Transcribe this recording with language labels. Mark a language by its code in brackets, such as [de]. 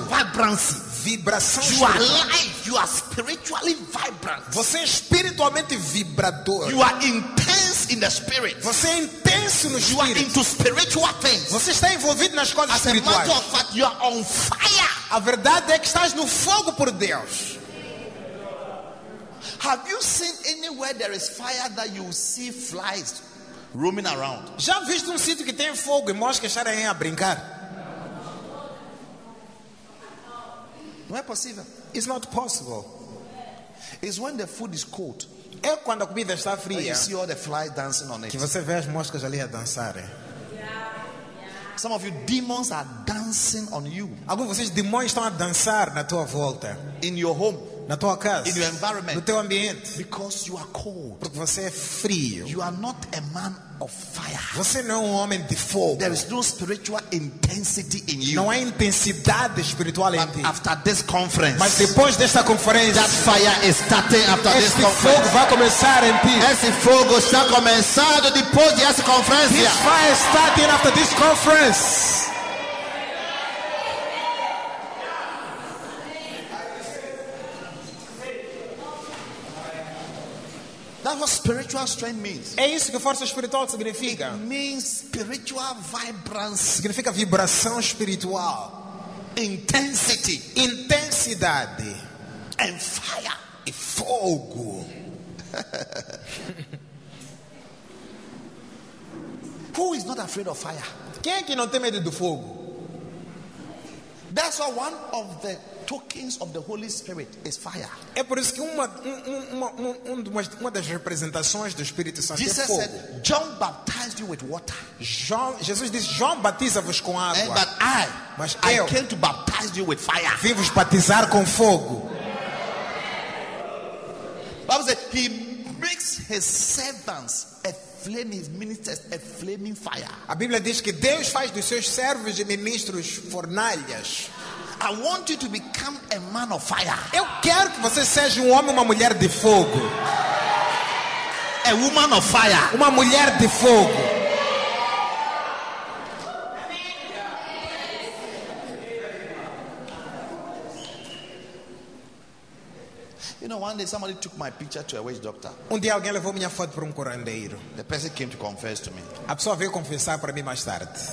[pt] fogo. [en] Vibrancy. [pt] Vibração [en] you [pt] espiritual. [en] Are alive. You are spiritually vibrant. [pt] Você é espiritualmente vibrador. [en] You are intense in the spirit. [pt] Você é intenso no espírito. [en] Are into spiritual things. [pt] Você está envolvido nas coisas [en] as [pt] espirituais. [en] As a matter of fact, you are on fire. [pt] A verdade é que estás no fogo por Deus. [en] Have you seen anywhere there is fire that you see flies roaming around? [pt] Já viste sítio que tem fogo e moscas estarem a brincar? Não é possível. [en] It's not possible. It's when the food is cold. [pt] É quando a comida está fria. [en] You see all the flies dancing on it. [pt] Que você vê as moscas ali a dançar. [en] Some of you demons are dancing on you. [pt] Alguns de vocês demônios estão a dançar na tua volta. [en] In your home. [pt] Na tua casa. [en] In your environment. [pt] No teu ambiente. [en] Because you are cold. [pt] Porque você é frio. [en] You are not a man of fire. [pt] Você não é homem de fogo. [en] There is no spiritual intensity in you. [pt] Não há intensidade espiritual em ti. [en] After this conference. [pt] Mas depois desta conferência, [en] that fire is starting after this conference. [pt] Esse fogo vai começar em ti. Esse fogo está começando depois desta conferência. [en] This fire is starting after this conference. That's what spiritual strength means. [pt] É isso que força espiritual significa. [en] It means spiritual vibrance. [pt] Significa vibração espiritual. [en] Intensity. [pt] Intensidade. [en] And fire. [pt] E fogo. [en] Who is not afraid of fire? [pt] Quem é que não tem medo do fogo? [en] That's why one of the tokens of the Holy Spirit is fire. [pt] É por isso que uma das representações do Espírito Santo [en] Jesus [pt] é fogo. [en] Said, John baptized you with water. [pt] Jesus disse, João batiza-vos com água. [en] And, but I, [pt] mas [en] I [pt] eu, [en] came to baptize you with fire. [pt] Vim vos batizar com fogo. [en] Bible said he makes his servants a flame, his ministers a flaming fire. [pt] A Bíblia diz que Deus faz dos seus servos e ministros fornalhas. [en] I want you to become a man of fire. [pt] Eu quero que você seja um homem ou uma mulher de fogo. [en] A woman of fire. [pt] Uma mulher de fogo. [en] You know, one day somebody took my picture to a witch doctor. [pt] Um dia alguém levou minha foto para um curandeiro. [en] The person came to confess to me. [pt] A pessoa veio confessar para mim mais tarde.